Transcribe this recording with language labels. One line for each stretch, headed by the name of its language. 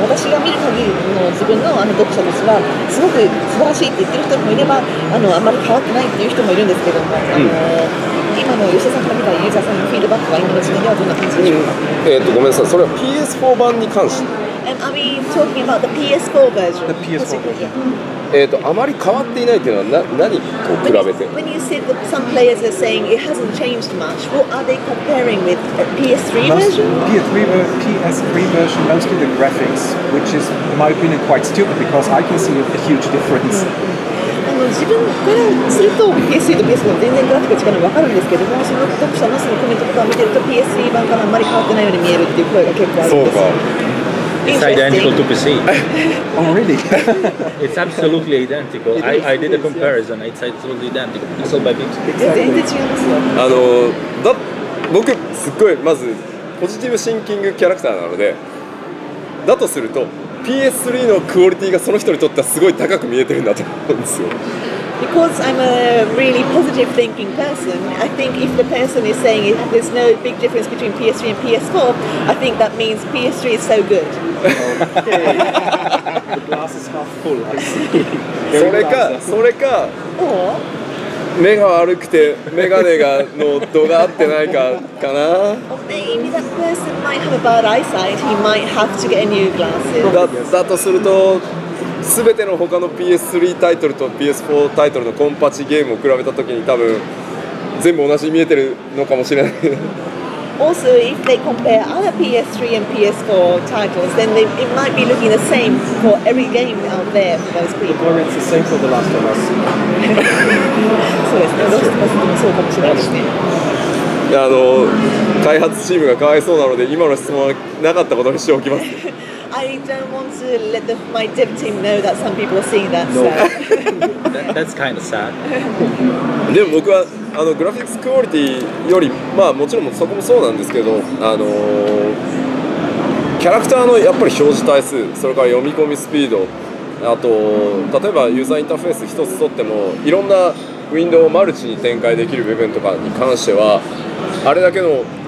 Japanese: 私が見る限りの自分 の, あの読者たちはすごく素晴らしいって言ってる人もいれば、 あまり変わってないっていう人もいるんですけども、うん、今の吉田さんから見たユーザーさんのフィードバックは今の時点ではどんな感じでしょうか。ごめんなさい、それは PS4 版に関して、
English: Are we talking about the PS4 version? The PS4 version.、Mm-hmm.
Japanese: あまり変わっていないというのは何と比べて
English: when you said that some players are saying it hasn't changed much, what are they comparing with? A PS3 version? PS3 version, mostly the graphics, which is, in my opinion, quite stupid because I can see a huge difference.
Japanese: 自分からすると PS3 と PS4 は全然グラフィックが違うのは分かるんですけども、その読者のそのコメントとかを見てると PS3 版からあまり変わってないように見えるっていう声が結構あるんです。そうか。
English: It's identical to PC. Oh, really? It's absolutely identical. I did a comparison. It's absolutely identical. Pixel by pixel. It's totally different.
Japanese: 僕、すっごいまずポジティブシンキングキャラクターなので、だとすると PS3 のクオリティがその人にとってはすごい高く見えてるんだと思うんですよ。
English: Because I'm a really positive thinking person, I think if the person is saying it, there's no big difference between PS3 and PS4, I think that means PS3 is so good. The glass is half full, I see.
Japanese: それか、目が悪くて、メガネの度が合ってないかな。
English: Maybe that person might have a bad eyesight, he might have to get a new glasses.
Japanese: だとすると、全ての他の PS3 タイトルと PS4 タイトルのコンパチゲームを比べたときに多分全部同じに見えてるのかもしれない。
English: also, if they compare other PS3 and PS4 titles, then it might be looking the same for every game out there for those people. The performance is the same for The Last of Us. So it's the Last of Us and so much better.
Japanese: いや、あの、開発チームがかわいそうなので、今の質問はなかったことにしておきます。
English: I don't want to let my dev team know that some people are seeing that, so... That's kind of sad.
Japanese: でも僕は、あの、グラフィックスクオリティより、まあ、もちろんそこもそうなんですけど、あの、キャラクターのやっぱり表示対数、それから読み込みスピード、あと、例えばユーザーインターフェース一つとっても、いろんなウィンドウをマルチに展開できる部分とかに関しては、あれだけの、